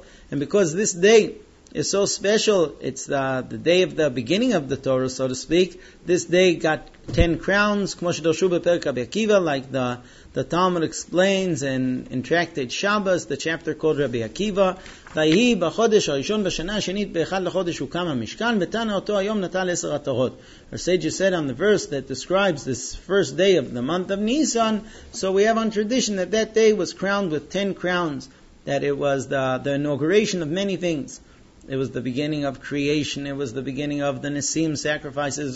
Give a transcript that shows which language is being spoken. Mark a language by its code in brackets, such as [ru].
[en] And because this day is so special, it's the day of the beginning of the Torah, so to speak, this day got 10 crowns, [he] כמו שדרשו בפרק רבי עקיבא, [en] like the Talmud explains in Tractate Shabbos, the chapter called Rabbi Akiva. [he] ויהי בחודש הראשון בשנה השנית באחד לחודש הוקם המשכן, ותנה אותו היום נטל 10 התורות. [en] Our sages said on the verse that describes this first day of the month of Nisan, so we have on tradition that that day was crowned with 10 crowns, that it was the inauguration of many things. It was the beginning of creation. It was the beginning of the Nisim sacrifices.